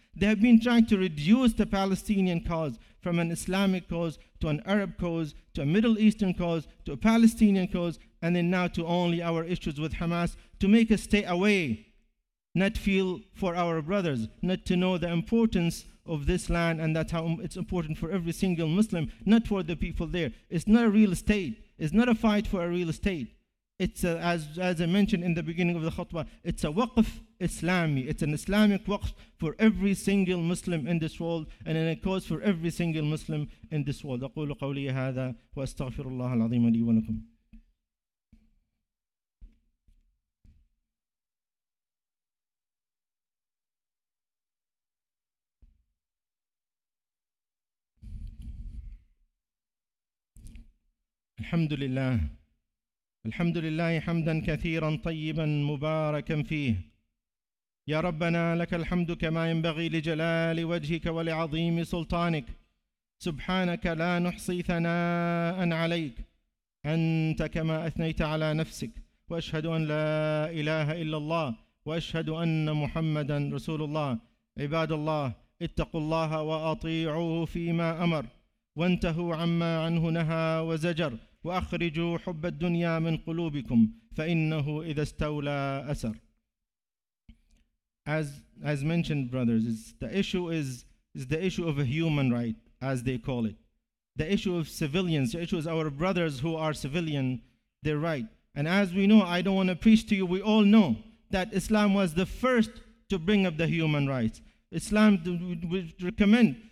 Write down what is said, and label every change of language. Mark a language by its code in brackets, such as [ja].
[en] They have been trying to reduce the Palestinian cause from an Islamic cause to an Arab cause to a Middle Eastern cause to a Palestinian cause, and then now to only our issues with Hamas, to make us stay away, not feel for our brothers, not to know the importance of this land, and that's how it's important for every single Muslim, not for the people there. It's not a real state. It's not a fight for a real state. It's as I mentioned in the beginning of the khutbah, it's a waqf Islami. It's an Islamic waqf for every single Muslim in this world, and in a cause for every single Muslim in this world. [ar] أقول قولي هذا وأستغفر الله العظيم لي ولكم. الحمد لله. الحمد لله حمدا كثيرا طيبا مباركا فيه. يا ربنا لك الحمد كما ينبغي لجلال وجهك ولعظيم سلطانك. سبحانك لا نحصي ثناء عليك. أنت كما أثنيت على نفسك. وأشهد أن لا إله إلا الله. وأشهد أن محمدا رسول الله. عباد الله اتقوا الله وأطيعوه فيما أمر. وانتهوا عما عنه نهى وزجر. وأخرجوا حب الدنيا من قلوبكم فإنه إذا استولى أسر. [en] As mentioned, brothers, the issue is the issue of a human right, as they call it. The issue of civilians, the issue is our brothers who are civilian, their right. And as we know, I don't want to preach to you, we all know that Islam was the first to bring up the human rights. Islam would recommend